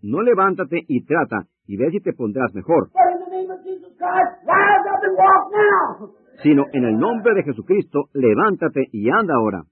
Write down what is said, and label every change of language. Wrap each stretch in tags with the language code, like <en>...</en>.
<es>No levántate y trata, y ve si te pondrás mejor.</es> <en>But in the name of Jesus Christ, rise up and walk now.</en> <es>Sino en el nombre de Jesucristo, levántate y anda ahora.</es>